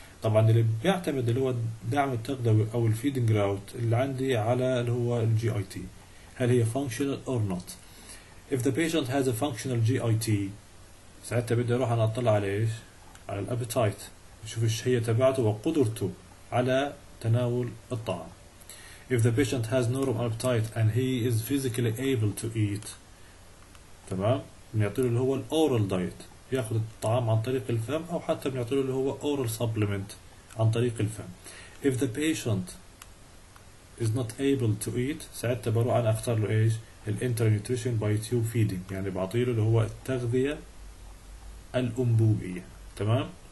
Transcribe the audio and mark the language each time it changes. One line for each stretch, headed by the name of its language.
Arabic: طبعا اللي بيعتمد اللي هو الدعم التغذوي او الفيدنج راوت اللي عندي على اللي هو الجي اي تي، هل هي
English: Functional or not. If the patient has a functional G I T,
Arabic: ساعتها بدي اروح انا اطلع على ايش، على الابيتايت، نشوف الشهيه تبعته وقدرته على تناول الطعام.
English: If the patient has normal appetite and he is physically able to eat،
Arabic: تمام، بنعطيه اللي هو الاورال دايت، ياخذ الطعام عن طريق الفم، او حتى بنعطي له اللي هو oral supplement عن طريق الفم.
English: if the patient is not able to eat،
Arabic: ساعتها بروح انا اختار له ايش
English: الانترنيوتريشن by tube feeding,
Arabic: يعني بعطي له اللي هو التغذيه الانبوبيه. تمام.